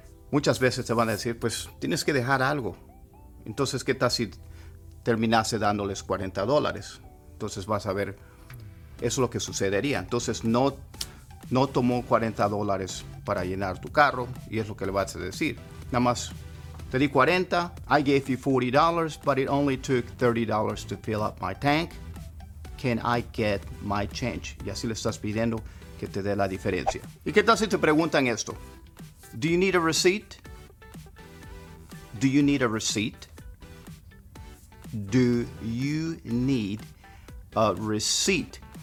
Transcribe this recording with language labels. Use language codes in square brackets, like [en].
[es] Muchas veces te van a decir, pues tienes que dejar algo. Entonces, ¿qué tal si terminase dándoles $40? Entonces vas a ver, eso es lo que sucedería. Entonces no tomó $40 para llenar tu carro y es lo que le vas a decir. Nada más te di 40, [en] I gave you $40, but it only took $30 to fill up my tank. Can I get my change? [es] Y así le estás pidiendo que te dé la diferencia. ¿Y qué tal si te preguntan esto? [en] Do you need a receipt? Do you need a receipt? Do you need a receipt?